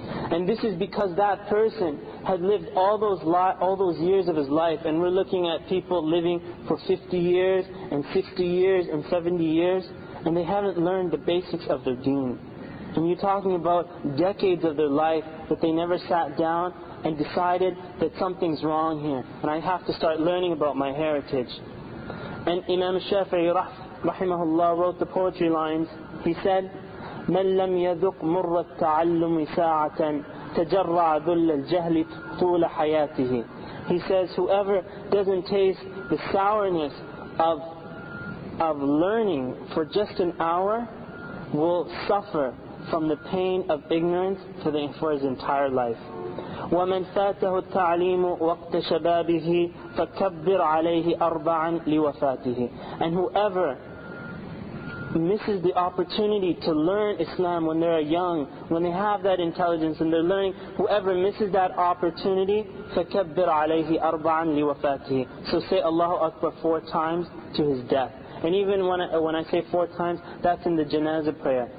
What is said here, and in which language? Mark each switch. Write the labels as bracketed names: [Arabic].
[English] And this is because that person had lived all those years of his life, and we're looking at people living for 50 years and 60 years and 70 years, and they haven't learned the basics of their deen. And you're talking about decades of their life that they never sat down and decided that something's wrong here, and I have to start learning about my heritage. And Imam Shafi'i rahimahullah wrote the poetry lines. He said, [Arabic] مَنْ لَمْ يَذُقْ مُرَّ التَّعَلُّمِ سَاعَةً تَجَرَّعَ ذُلَّ الْجَهْلِ طُولَ حَيَاتِهِ. [English] He says, whoever doesn't taste the sourness of learning for just an hour will suffer from the pain of ignorance for his entire life. [Arabic] وَمَنْ فَاتَهُ التَّعْلِيمُ وَقْتَ شَبَابِهِ فَكَبِّرْ عَلَيْهِ أَرْبَعًا لِوَفَاتِهِ. [English] And whoever misses the opportunity to learn Islam when they're young, when they have that intelligence and they're learning, whoever misses that opportunity, [Arabic] فَكَبِّرْ عَلَيْهِ أَرْبَعًا لِوَفَاتِهِ. [English] So say Allahu Akbar four times to his death. And even when I say four times, that's in the janazah prayer.